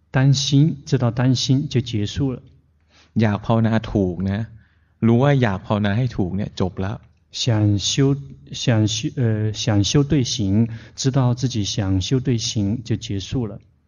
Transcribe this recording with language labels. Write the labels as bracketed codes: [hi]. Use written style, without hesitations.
[zh] 担心知道担心就结束了 [th] อยากภาวนาถูกนะรู้ว่าอยากภาวนาให้ถูกเนี่ยจบแล้ว [zh] 想修对行知道自己想修对行就结束了